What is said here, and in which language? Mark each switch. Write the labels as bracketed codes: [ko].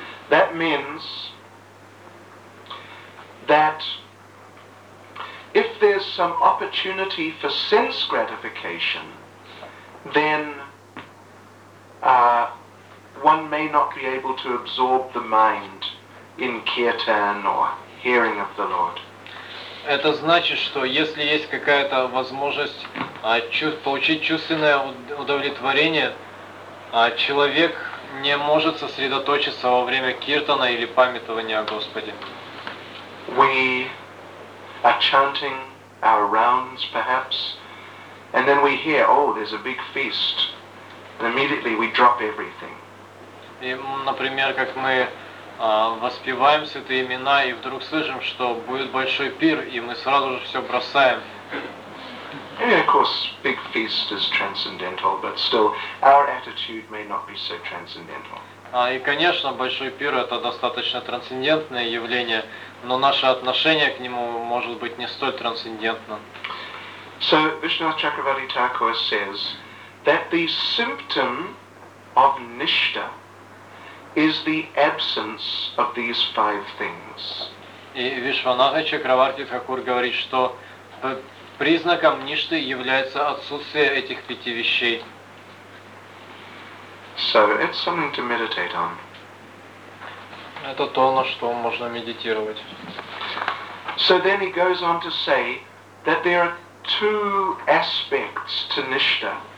[en] That means that if there's some opportunity for sense gratification, then one may not be able to absorb the mind in kirtan or hearing of the Lord. [ru] Это значит, что если есть какая-то возможность получить чувственное удовлетворение, человек не может сосредоточиться во время киртана или памятования о Господе. [en] We are chanting our rounds, perhaps, and then we hear, there's a big feast, and immediately we drop everything. [ru] И, например, как мы воспеваем святые имена, и вдруг слышим, что будет большой пир, и мы сразу же все бросаем. [en] Yeah, of course, big feast is transcendental, but still, our attitude may not be so transcendental. [ru] И, конечно, большой пир – это достаточно трансцендентное явление, но наше отношение к нему может быть не столь трансцендентно. [en] So, Vishnath Chakravarti Thakur says that the symptom of nishta is the absence of these five things. [ru] И Вишванатха Чакраварти Хакур говорит, что признаком ништы является отсутствие этих пяти вещей. [en] So it's something to meditate on. [ru] Это то, на что можно медитировать. [en] So then he goes on to say that there are two aspects to nishta.